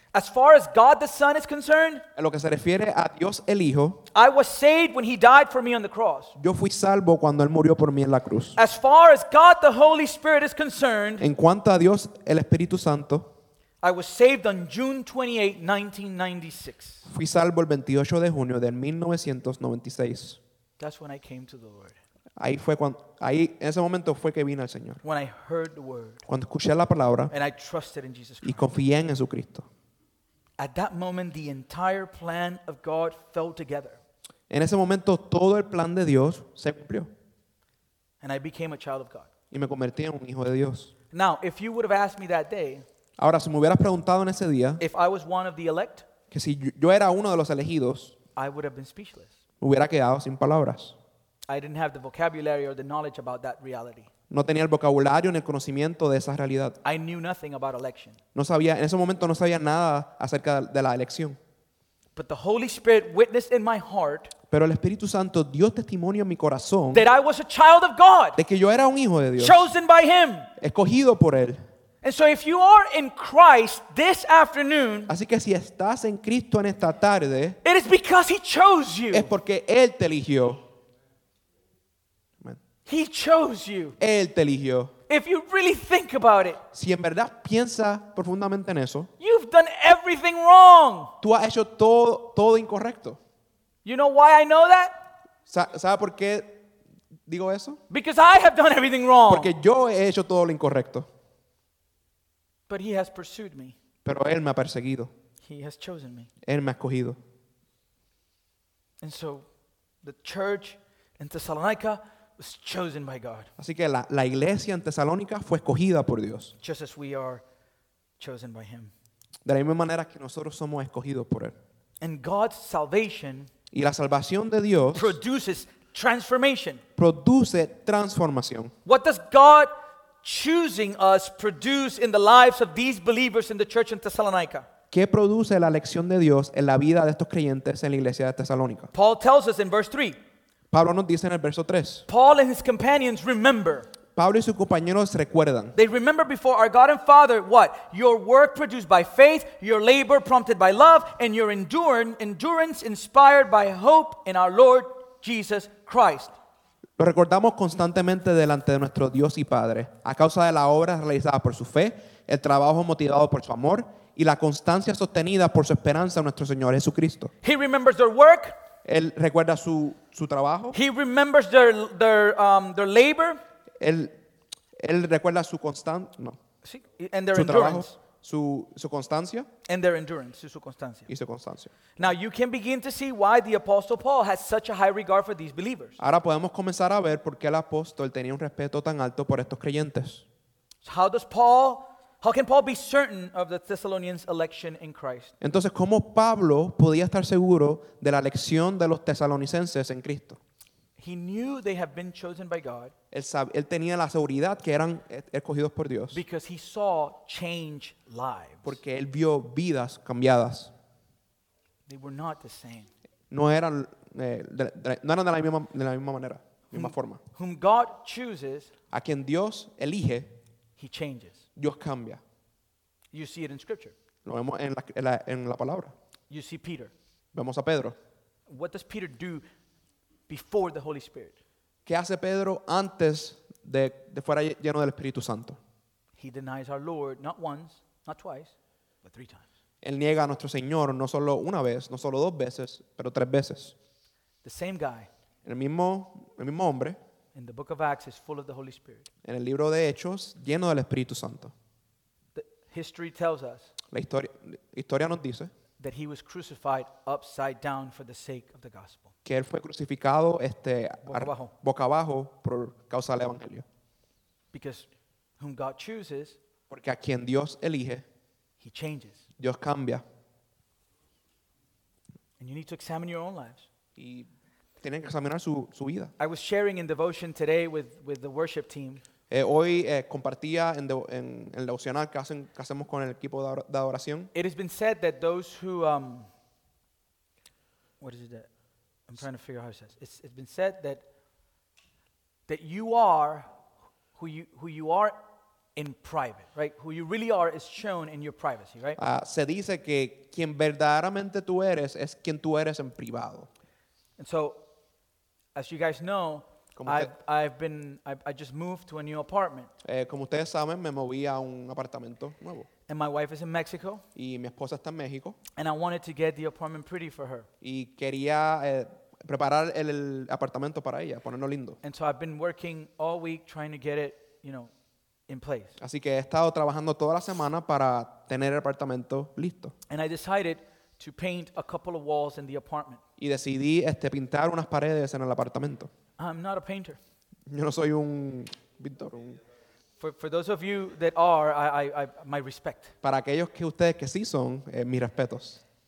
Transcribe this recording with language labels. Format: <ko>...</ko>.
<en>As far as God the Son is concerned,</en> <es>en lo que se refiere a Dios el Hijo,</es> <en>I was saved when he died for me on the cross.</en> <es>Yo fui salvo cuando él murió por mí en la cruz.</es> <en>As far as God the Holy Spirit is concerned,</en> <es>en cuanto a Dios el Espíritu Santo,</es> <en>I was saved on June 28, 1996.</en> <es>Fui salvo el 28 de junio de 1996.</es> <en>That's when I came to the Lord.</en> <es>Ahí en ese momento fue que vine al Señor.</es> <en>When I heard the word.</en> <es>Cuando escuché la palabra.</es> <en>And I trusted in Jesus Christ.</en> <es>Y confié en Jesucristo.</es> <en>At that moment, the entire plan of God fell together.</en> <es>En ese momento todo el plan de Dios se cumplió.</es> <en>And I became a child of God.</en> <es>Y me convertí en un hijo de Dios.</es> <en>Now, if you would have asked me that day,</en> <es>ahora, si me hubieras preguntado en ese día,</es> <en>if I was one of the elect,</en> <es>que si yo era uno de los elegidos,</es> <en>I would have been speechless.</en> <es>Hubiera quedado sin palabras.</es> <en>I didn't have the vocabulary or the knowledge about that reality.</en> <es>No tenía el vocabulario ni el conocimiento de esa realidad.</es> <en>I knew nothing about election.</en> <es>No sabía, en ese momento no sabía nada acerca de la elección.</es> <en>But the Holy Spirit witnessed in my heart,</en> <es>pero el Espíritu Santo dio testimonio en mi corazón,</es> <en>that I was a child of God,</en> <es>de que yo era un hijo de Dios,</es> <en>chosen by him,</en> <es>escogido por él.</es> <en>And so if you are in Christ this afternoon,</en> <es>así que si estás en Cristo en esta tarde,</es> <en>it is because he chose you.</en> <es>Es porque él te eligió.</es> <en>Amen. He chose you.</en> <es>Él te eligió.</es> <en>If you really think about it,</en> <es>si en verdad piensa profundamente en eso,</es> <en>you've done everything wrong.</en> <es>Tú has hecho todo incorrecto.</es> <en>You know why I know that?</en> <es>¿Sabe por qué digo eso?</es> <en>Because I have done everything wrong.</en> <es>Porque yo he hecho todo lo incorrecto.</es> <en>But he has pursued me.</en> <es>Pero él me ha perseguido.</es> <en>He has chosen me.</en> <es>Él me ha escogido.</es> <en>And so the church in Thessalonica was chosen by God.</en> <es>Así que la iglesia en Tesalónica fue escogida por Dios.</es> <en>Just as we are chosen by him.</en> <es>De la misma manera que nosotros somos escogidos por él.</es> <en>And God's salvation,</en> <es>y la salvación de Dios,</es> <en>produces transformation.</en> <es>Produce transformación.</es> <en>What does God choosing us produce in the lives of these believers in the church in Thessalonica?</en> <es>¿Qué produce la elección de Dios en la vida de estos creyentes en la iglesia de Tesalónica?</es> <en>Paul tells us in verse 3.</en> <es>Pablo nos dice en el verso 3.</es> <en>Paul and his companions remember.</en> <es>Pablo y sus compañeros recuerdan.</es> <en>They remember before our God and Father what? Your work produced by faith, your labor prompted by love, and your endurance inspired by hope in our Lord Jesus Christ.</en> <es>Lo recordamos constantemente delante de nuestro Dios y Padre, a causa de la obra realizada por su fe, el trabajo motivado por su amor y la constancia sostenida por su esperanza en nuestro Señor Jesucristo.</es> <en>He remembers their work.</en> <es>Él recuerda su trabajo.</es> <en>He remembers their labor.</en> <es>Él recuerda su constancia. No. Sí.</es> <en>And their endurance.</en> <es>Trabajo, su constancia.</es> <en>And their endurance.</en> <es>Su constancia. Y su constancia.</es> <en>Now you can begin to see why the apostle Paul has such a high regard for these believers.</en> <es>Ahora podemos comenzar a ver por qué el apóstol tenía un respeto tan alto por estos creyentes.</es> <en>So how can Paul be certain of the Thessalonians' election in Christ?</en> <es>Entonces, ¿cómo Pablo podía estar seguro de la elección de los tesalonicenses en Cristo?</es> <en>He knew they have been chosen by God.</en> <es>Él tenía la seguridad que eran escogidos por Dios.</es> <en>Because he saw changed lives.</en> <es>Porque él vio vidas cambiadas.</es> <en>They were not the same.</en> <es>No eran de la misma, de la misma manera, misma forma.</es> <en>Whom God chooses,</en> <es>a quien Dios elige,</es> <en>he changes.</en> <es>Dios cambia.</es> <en>You see it in scripture.</en> <es>Lo vemos en la palabra.</es> <en>You see Peter.</en> <es>Vemos a Pedro.</es> <en>What does Peter do before the Holy Spirit?</en> <es>¿Qué hace Pedro antes de fuera lleno del Espíritu Santo?</es> <en>He denies our Lord not once, not twice, but three times.</en> <es>Él niega a nuestro Señor no solo una vez, no solo dos veces, pero tres veces.</es> <en>The same guy.</en> <es>El mismo hombre.</es> <en>In the book of Acts is full of the Holy Spirit.</en> <es>En el libro de Hechos, lleno del Espíritu Santo.</es> <en>The history tells us.</en> <es>La historia nos dice.</es> <en>That he was crucified upside down for the sake of the gospel.</en> <es>Que él fue crucificado boca abajo por causa del evangelio.</es> <en>Because whom God chooses,</en> <es>porque a quien Dios elige,</es> <en>he changes.</en> <es>Dios cambia.</es> <en>And you need to examine your own lives.</en> <es>Y tienen que examinar su vida.</es> <en>I was sharing in devotion today with the worship team.</en> <es>Hoy compartía en el devocional que hacemos con el equipo de adoración.</es> <en>It has been said that those who I'm trying to figure out how it says. It's been said that you are who you are in private, right? Who you really are is shown in your privacy, right?</en> <es>Se dice que quien verdaderamente tú eres es quien tú eres en privado.</es> <en>And so, as you guys know, I just moved to a new apartment.</en> <es>Como ustedes saben, me moví a un apartamento nuevo.</es> <en>And my wife is in Mexico.</en> <es>Y mi esposa está en México.</es> <en>And I wanted to get the apartment pretty for her.</en> <es>Y quería preparar el apartamento para ella, ponerlo lindo.</es> <en>And so I've been working all week trying to get it, you know, in place.</en> <es>Así que he estado trabajando toda la semana para tener el apartamento listo.</es> <en>And I decided to paint a couple of walls in the apartment.</en> <es>Y decidí pintar unas paredes en el apartamento.</es> <en>I'm not a painter.</en> <es>Yo no soy un pintor.</es> <en>For those of you that are, I my respect.</en> <es>Para aquellos que ustedes que sí son, mis respetos.</es>